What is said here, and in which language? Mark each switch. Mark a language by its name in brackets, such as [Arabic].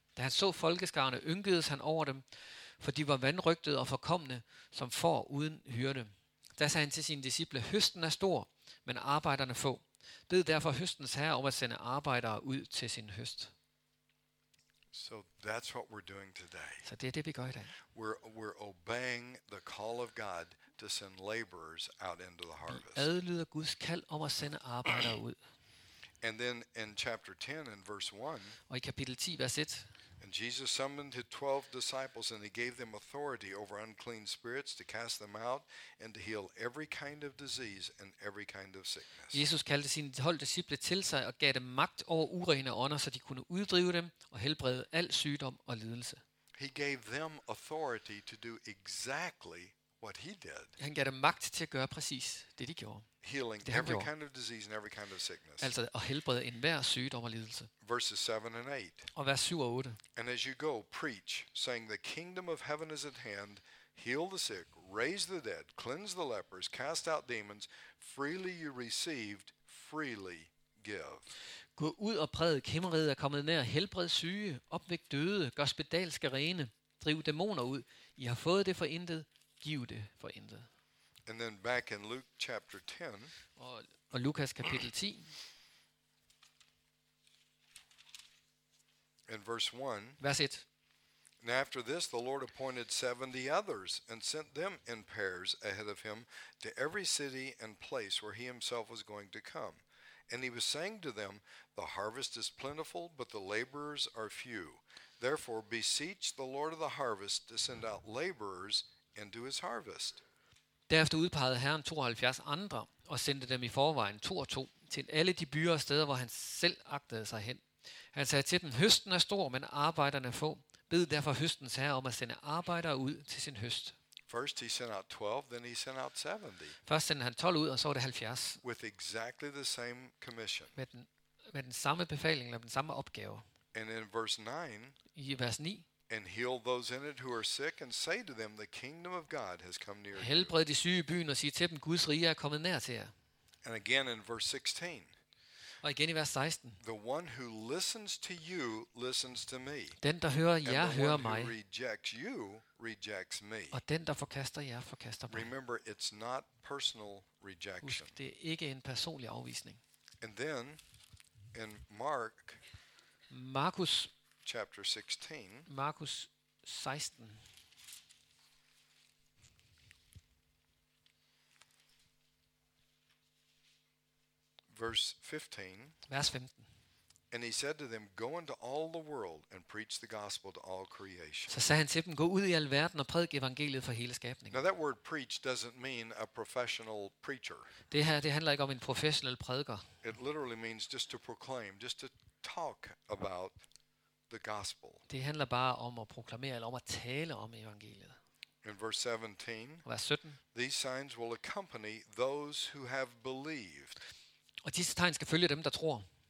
[Danish] Da han så folkeskarne, ynkede han over dem, for de var vanrygtede og forkomne som får uden hyrde. Da sagde han til sine disciple, høsten er stor, men arbejderne få. Bed derfor høstens herre om at sende arbejdere ud til sin høst. [English] So that's what we're doing today. [Danish] Så det er det, vi gør i dag. [English] We're obeying the call of God to send laborers out into the harvest. [Danish] Vi adlyder Guds kald om at sende arbejdere ud. [English] And then in chapter 10 in verse 1. [Danish] Og i kapitel 10 vers 1. [English] And Jesus summoned his 12 disciples and he gave them authority over unclean spirits to cast them out and to heal every kind of disease and every kind of sickness. [Danish] Jesus kaldte sine 12 disciple til sig og gav dem magt over urene ånder, så de kunne uddrive dem og helbrede al sygdom og lidelse. [English] He gave them authority to do exactly what he did. [Danish] Han gav dem magt til at gøre præcis det, de gjorde. [English] Healing every kind of disease and every kind of sickness. [Danish] Altså at helbrede enhver sygdom og lidelse. [English] Verses 7 and 8. [Danish] Og vers 7 og 8. [English] And as you go, preach, saying, "The kingdom of heaven is at hand. Heal the sick, raise the dead, cleanse the lepers, cast out demons. Freely you received, freely give." [Danish] Gå ud og prædik, himmeriget er kommet nær. Helbred syge, opvæk døde, gør spedalske rene, driv dæmoner ud. I har fået det for intet, giv det for intet. [English] And then back in Luke chapter 10. [Danish] Og Lukas kapitel 10. [English] In verse 1. [Danish] Vers 1. [English] And after this the Lord appointed 70 others and sent them in pairs ahead of him to every city and place where he himself was going to come. And he was saying to them, "The harvest is plentiful, but the laborers are few. Therefore beseech the Lord of the harvest to send out laborers into his harvest." [Danish] Derefter udpegede Herren 72 andre og sendte dem i forvejen to og to til alle de byer og steder, hvor han selv agtede sig hen. Han sagde til dem, høsten er stor, men arbejderne få. Bed derfor høstens herre om at sende arbejdere ud til sin høst. [English] First he sent out 12, then he sent out 70. [Danish] Først sendte han 12 ud, og så var det 70. [English] With exactly the same commission. [Danish] Med den samme befaling eller den samme opgave. [English] And in verse 9, [Danish] i vers 9. [English] And heal those in it who are sick and say to them, "The kingdom of God has come near you." [Danish] Helbred de syge i byen og sig til dem, Guds rige er kommet nær til jer. [English] And again in verse 16. [Danish] Og igen i vers 16. [English] The one who listens to you listens to me. [Danish] Den der hører jer, hører mig. [English] And the one who rejects you rejects me. [Danish] Og den der forkaster jer, forkaster mig. [English] Remember, it's not personal rejection. [Danish] Husk, det er ikke en personlig afvisning. [English] And then in Mark. [Danish] Markus [English] chapter 16. [Danish] Markus 16. [English] Verse 15. [Danish] Vers 15. [English] And he said to them, "Go into all the world and preach the gospel to all creation." [Danish] Så sagde han til dem, gå ud i al verden og prædik evangeliet for hele skabningen. [English] Now that word "preach" doesn't mean a professional preacher. [Danish] Det her, det handler ikke om en professionel prædiker. [English] It literally means just to proclaim, just to talk about the gospel. [Danish] Det handler bare om at proklamere eller om at tale om evangeliet. [English] In verse 17, [Danish] vers 17, [English] these signs will accompany those who have believed. [Danish] Og disse tegn skal følge dem, der tror.